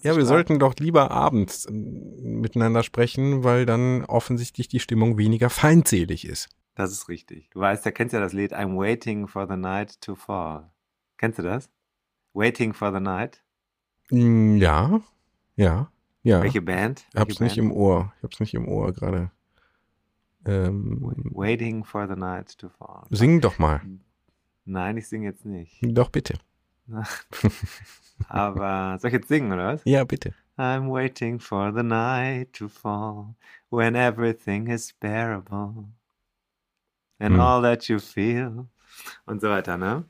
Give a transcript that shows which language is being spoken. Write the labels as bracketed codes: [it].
[de] Ja, wir sollten doch lieber abends miteinander sprechen, weil dann offensichtlich die Stimmung weniger feindselig ist. Das ist richtig. Du weißt, da kennst du ja das Lied [en] I'm waiting for the night to fall. [de] Kennst du das? [en] Waiting for the night? [de] Ja. Welche Band? Ich hab's nicht im Ohr. Ich hab's nicht im Ohr gerade. [en] Waiting for the night to fall. [de] Sing doch mal. Nein, ich singe jetzt nicht. Doch, bitte. Aber soll ich jetzt singen, oder was? Ja, bitte. [en] I'm waiting for the night to fall, when everything is bearable, and all that you feel, [de] und so weiter, ne?